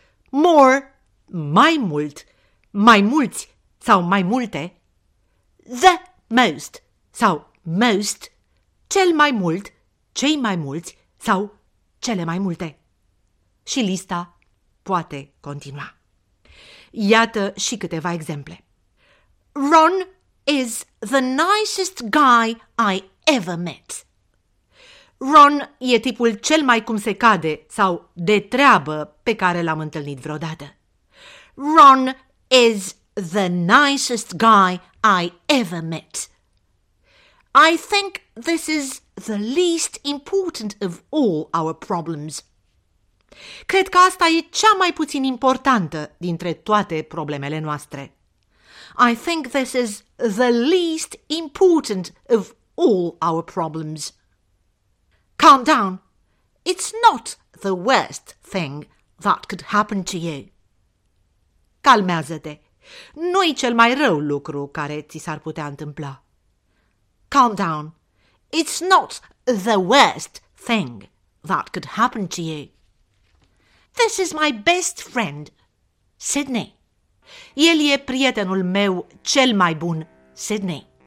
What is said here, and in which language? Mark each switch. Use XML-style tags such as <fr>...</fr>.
<ro>more, mai mult, mai mulți sau mai multe, the most sau most, cel mai mult, cei mai mulți sau cele mai multe. Și lista poate continua. Iată și câteva exemple.</ro> <en>Ron is the nicest guy I ever met.</en> <ro>Ron e tipul cel mai cum se cade sau de treabă pe care l-am întâlnit vreodată.</ro> <en>Ron is the nicest guy I ever met. I think this is the least important of all our problems.</en> <ro>Cred că asta e cea mai puțin importantă dintre toate problemele noastre.</ro> <en>I think this is the least important of all our problems. Calm down. It's not the worst thing that could happen to you.</en> <ro>Calmează-te. Nu-i cel mai rău lucru care ți s-ar putea întâmpla.</ro> <en>Calm down. It's not the worst thing that could happen to you. This is my best friend, Sydney.</en> <ro>El e prietenul meu cel mai bun, Sydney.</ro>